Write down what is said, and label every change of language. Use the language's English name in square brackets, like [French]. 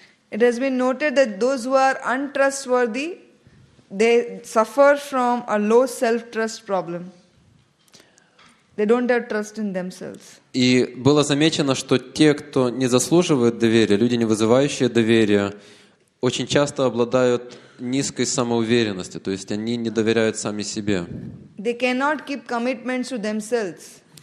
[English] It has been noted that those who are untrustworthy, they suffer from a low self-trust problem. They don't have trust in themselves. [Russian] И было замечено, что те, кто не заслуживает доверия, люди, не вызывающие доверия, очень часто обладают низкой самоуверенностью, то есть они не доверяют сами себе. [English] They cannot keep commitments to themselves.